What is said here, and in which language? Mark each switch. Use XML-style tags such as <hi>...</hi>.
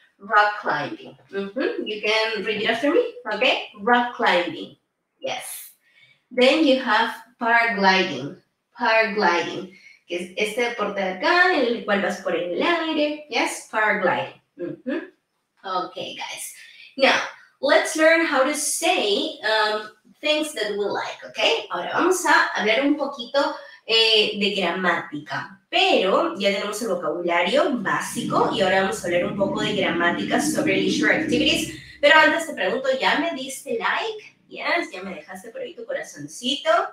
<en>Rock climbing. You can read it after me, ¿ok? Rock climbing. Yes. Then you have paragliding.</en> <es>Paragliding, que es este deporte de acá, en el cual vas por el aire.</es> <en>Yes, paragliding. Okay, guys. Now, let's learn how to say things that we like, okay?</en> <es>Ahora vamos a hablar un poquito de gramática, pero ya tenemos el vocabulario básico y ahora vamos a hablar un poco de gramática sobre leisure activities. Pero antes te pregunto, ¿ya me diste like? Yes, ya me dejaste por ahí tu corazoncito.</es>